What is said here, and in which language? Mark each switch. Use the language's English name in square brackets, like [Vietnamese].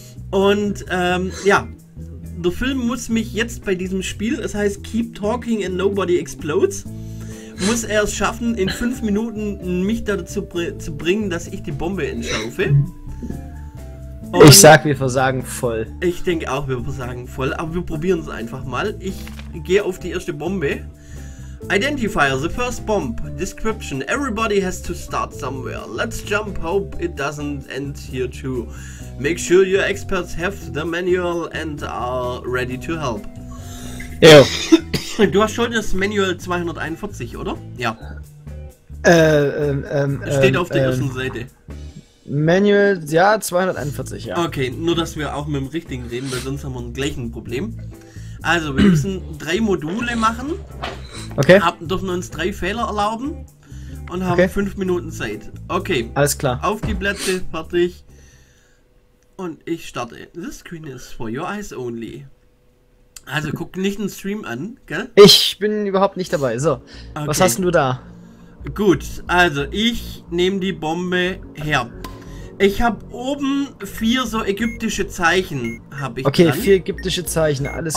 [German] Und der Film muss mich jetzt bei diesem Spiel, es heißt Keep Talking and Nobody Explodes, muss er es schaffen, in 5 Minuten mich dazu zu bringen, dass ich die Bombe entschärfe. Und ich sag, wir versagen voll. Ich denke auch, wir versagen voll, aber wir probieren es einfach mal. Ich gehe auf die erste Bombe. [English] Identifier, the first bomb. Description, everybody has to start somewhere. Let's jump, hope it doesn't end here too. Make sure your experts have the manual and are ready to help. Ew. [German] Du hast schon das Manual 241, oder? Ja. Steht auf der ersten Seite. Manual, ja, 241, ja. Okay, nur dass wir auch mit dem Richtigen reden, weil sonst haben wir ein gleiches Problem. Also, wir müssen 3 Module machen. Okay. Dürfen uns 3 Fehler erlauben und haben 5 Minuten Zeit. Okay. Alles klar. Auf die Plätze, fertig. Und ich starte. [English] The screen is for your eyes only. [German] Also, guck nicht den Stream an, gell? Ich bin überhaupt nicht dabei. So, okay. Was hast du da? Gut, also, ich nehme die Bombe her. Ich habe oben 4 so ägyptische Zeichen, habe ich Okay, dran. 4 ägyptische Zeichen, alles